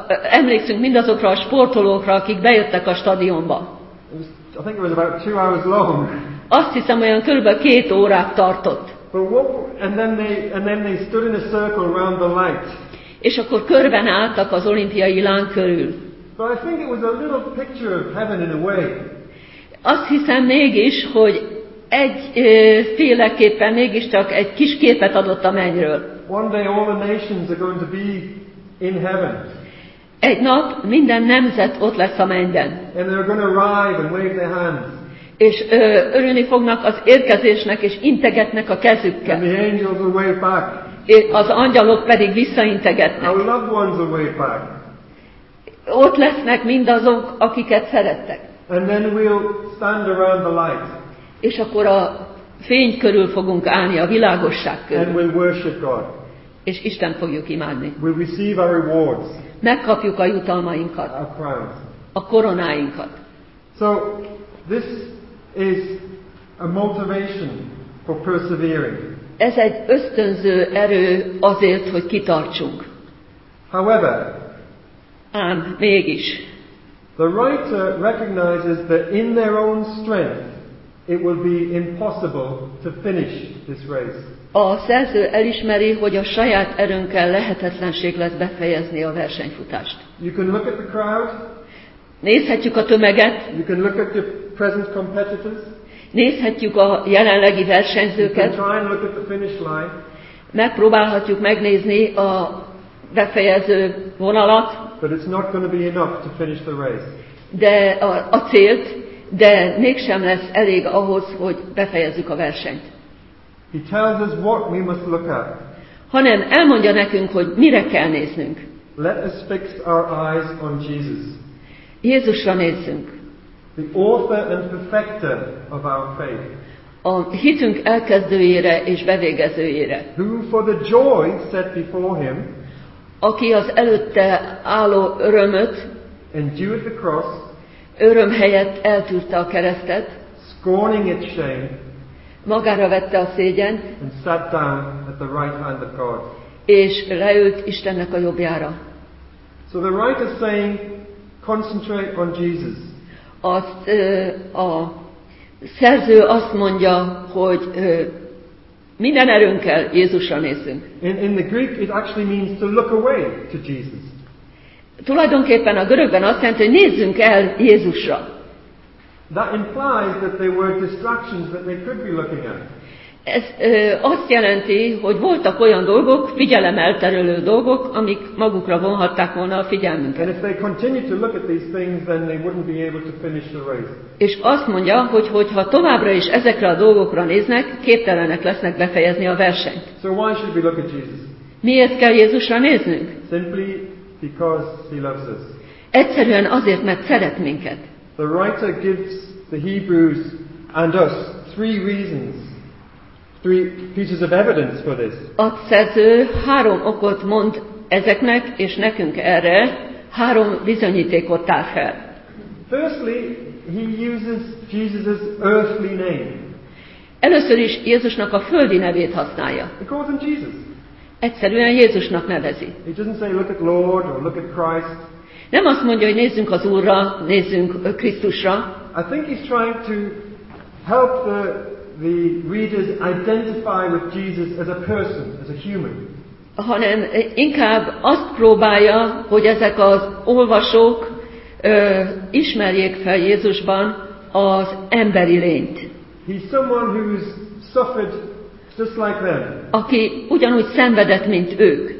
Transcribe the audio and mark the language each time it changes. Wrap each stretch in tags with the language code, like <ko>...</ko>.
<hu>Emlékszünk mindazokra a sportolókra, akik bejöttek a stadionba.</hu> <en>I think it was about 2 hours long.</en> <hu>Azt hiszem, olyan körülbelül 2 órát tartott.</hu> <en>And then they stood in a circle around the light.</en> <hu>És akkor körben álltak az olimpiai láng körül.</hu> <en>But I think it was a little picture of heaven in a way.</en> <hu>Azt hiszem mégis, hogy egyféleképpen mégis csak egy kis képet adott a mennyről.</hu> <en>One day all the nations are going to be in heaven.</en> <hu>Egy nap minden nemzet ott lesz a mennyben.</hu> <en>And they're going to arrive and wave their hands.</en> <hu>És örülni fognak az érkezésnek, és integetnek a kezükkel.</hu> <en>And the angels will wave back.</en> <hu>És az angyalok pedig visszaintegetnek.</hu> <en>Our loved ones will wave back.</en> <hu>Ott lesznek mindazok, akiket szerettek.</hu> <en>And then we'll stand around the light.</en> <hu>És akkor a fény körül fogunk állni, a világosság körül.</hu> <en>And we'll worship God.</en> <hu>És Isten fogjuk imádni.</hu> <en>We'll receive our rewards.</en> <hu>Megkapjuk a jutalmainkat.</hu> <en>Our crowns.</en> <hu>A koronáinkat.</hu> <en>So, this is a motivation for persevering.</en> <hu>Ez egy ösztönző erő azért, hogy kitartsunk.</hu> <en>However,</en> <hu>ám mégis,</hu> <en>the writer recognizes that in their own strength it will be impossible to finish this race.</en> <hu>A szerző elismeri, hogy a saját erőnkkel lehetetlenség lesz befejezni a versenyfutást.</hu> <en>You can look at the crowd.</en> <hu>Nézhetjük a tömeget.</hu> <en>You can look at the present competitors.</en> <hu>Nézhetjük a jelenlegi versenyzőket.</hu> <en>You can try and look at the finish line.</en> <hu>Megpróbálhatjuk megnézni a befejező vonalat.</hu> <en>But it's not going to be enough to finish the race.</en> <hu>De a célt, de mégsem lesz elég ahhoz, hogy befejezzük a versenyt.</hu> <en>He tells us what we must look at.</en> <hu>Hanem elmondja nekünk, hogy mire kell néznünk.</hu> <en>Let us fix our eyes on Jesus.</en> <hu>Jézusra nézzünk.</hu> <en>The author and perfecter of our faith.</en> <hu>A hitünk elkezdőjére és bevégezőjére.</hu> <en>Who for the joy set before him,</en> <hu>aki az előtte álló örömöt</hu> <en>endured the cross,</en> <hu>öröm helyett eltűrte a keresztet,</hu> <en>scorning its shame,</en> <hu>magára vette a szégyent,</hu> <en>and sat down at the right hand of God.</en> <hu>És leült Istennek a jobbjára.</hu> <en>So the writer is saying, concentrate on Jesus.</en> <hu>Azt a szerző azt mondja, hogy minden erőnkkel Jézusra nézzünk.</hu> <en>In the Greek it actually means to look away to Jesus.</en> <hu>Tulajdonképpen a görögben azt jelenti, hogy nézzünk el Jézusra.</hu> <en>That implies that there were distractions that they could be looking at.</en> <hu>Ez azt jelenti, hogy voltak olyan dolgok, figyelem elterülő dolgok, amik magukra vonhatták volna a figyelmünket. És azt mondja, hogy ha továbbra is ezekre a dolgokra néznek, képtelenek lesznek befejezni a versenyt.</hu> <en>So why should we look at Jesus?</en> <hu>Miért kell Jézusra néznünk?</hu> <en>Simply because he loves us.</en> <hu>Egyszerűen azért, mert szeret minket.</hu> <en>The writer gives the Hebrews and us three reasons. Three pieces of evidence for this.</en> <hu>A szerző három okot mond ezeknek és nekünk erre, három bizonyítékot tár fel.</hu> <en>Firstly, he uses Jesus's earthly name.</en> <hu>Először is Jézusnak a földi nevét használja.</hu> <en>He calls him Jesus.</en> <hu>Egyszerűen Jézusnak nevezi.</hu> <en>He doesn't say look at Lord or look at Christ.</en> <hu>Nem azt mondja, hogy nézzünk az Úrra, nézzünk Krisztusra.</hu> <en>I think he's trying to help the readers identify with Jesus as a person, as a human.</en> <hu>Hanem inkább azt próbálja, hogy ezek az olvasók ismerjék fel Jézusban az emberi lényt.</hu> <en>He's someone who's suffered just like them.</en> <hu>Aki ugyanúgy szenvedett, mint ők.</hu>